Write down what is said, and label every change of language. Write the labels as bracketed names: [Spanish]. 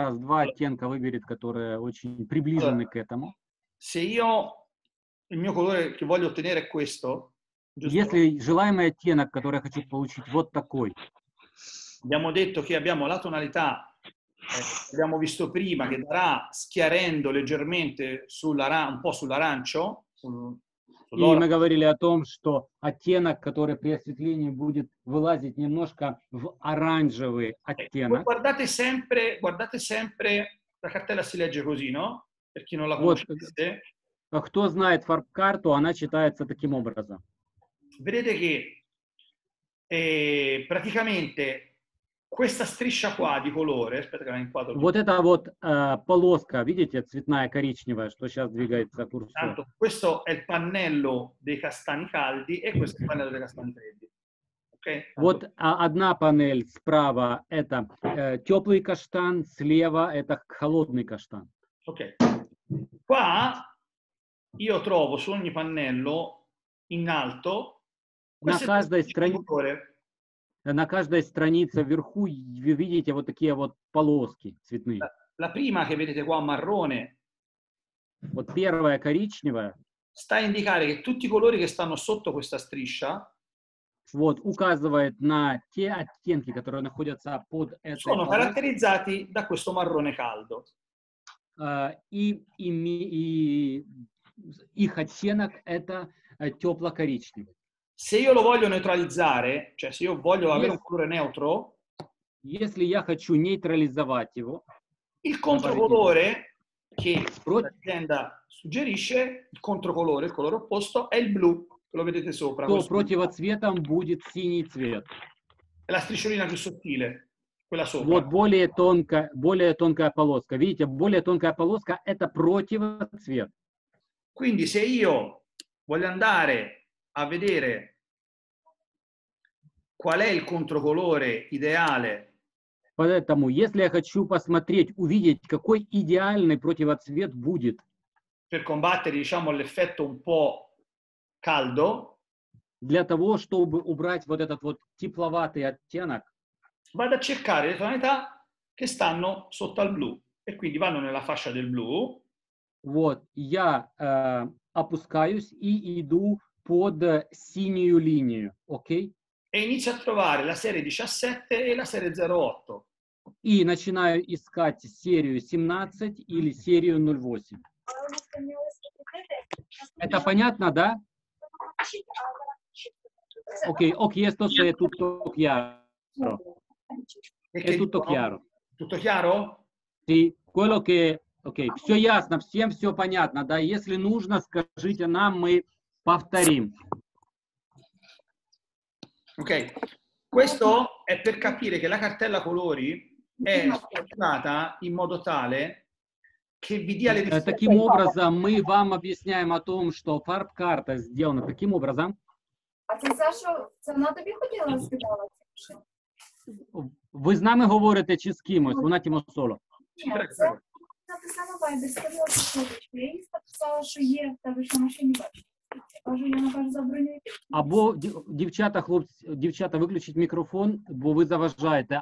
[Russian] Сейчас два оттенка выберет, которые очень приближены allora, к этому. [Italian] Se io il mio colore che voglio ottenere è questo, giusto? [Russian] Если желаемый оттенок, который я хочу получить, вот такой. [Italian] Abbiamo detto che abbiamo la tonalità abbiamo visto prima che darà schiarendo leggermente un po' sull'arancio. [Russian] И мы говорили о том, что оттенок, который при осветлении будет вылазить немножко в оранжевый оттенок. [Italian] Guardate sempre, la cartella si legge così, no? Per chi non la conosce. [Russian] Кто знает фарб-карту, она читается таким образом. [Italian] Vedete che praticamente questa striscia qua di colore, aspetta che la inquadro. [Russian] Вот эта вот полоска, видите, цветная коричневая, что сейчас двигается курсор. [Italian] Tanto, questo è il pannello dei castani caldi e questo è il pannello dei castani freddi. Okay? [Russian] Вот одна панель справа это теплый каштан, слева это холодный каштан. Okay. [Italian] Qua io trovo su ogni pannello in alto [Russian] на каждой странице. На каждой странице вверху вы видите вот такие вот полоски цветные. [Italian] La prima che vedete qua marrone. [Russian] Вот первая коричневая. [Italian] Sta a indicare che tutti i colori che stanno sotto questa striscia. [Russian] вот, указывает на те оттенки, которые находятся под этой... [Italian] Sono caratterizzati da questo marrone caldo. [Russian] И их оттенок это тепло-коричневый. [Italian] Se io lo voglio neutralizzare, cioè se io voglio avere un colore neutro, [Russian] если я хочу нейтрализовать его, [Italian] il controcolore che l'azienda suggerisce, il controcolore, il colore opposto, è il blu, lo vedete sopra. [Russian] То противоцветом будет синий цвет. [Italian] È la strisciolina più sottile, quella sopra. [Russian] Вот более тонкая полоска. Видите, более тонкая полоска – это противоцвет. [Italian] Quindi se io voglio andare a vedere qual è il controcolore ideale, [Russian] поэтому, если я хочу посмотреть, увидеть, какой идеальный противоцвет будет, [Italian] per combattere, diciamo, l'effetto un po' caldo, [Russian] для того, чтобы убрать вот этот вот тепловатый оттенок, [Italian] vado a cercare le tonalità che stanno sotto al blu, e quindi vanno nella fascia del blu. [Russian] Вот, я опускаюсь и иду под синюю линию, окей? [Italian] E inizio a trovare la serie 17 e la serie 08. [Russian] И начинаю искать серию 17 или серию 08. Это понятно, да? [Italian] Окей, окей, esto se è tutto chiaro. È tutto chiaro. Tutto chiaro? Sì, quello che... [Russian] Окей, все ясно, всем все понятно, да? Если нужно, скажите нам, мы повторим. [Italian] Ok, questo è per capire che la cartella colori è strutturata in modo tale che vi dia le risposte. [Russian] Таким образом мы вам объясняем о том, что фарб-карта сделана таким образом. А ты, Саша, [Ukrainian] це вона тобі хотіла сказати? Ви з нами говорите чи з кимось? Вона тимо соло. Ні, це саме байде, сказала, що є, та писала, що є, та ви що машині бачите. Або, дівчата, хлопці, дівчата, виключіть мікрофон, бо ви заважаєте.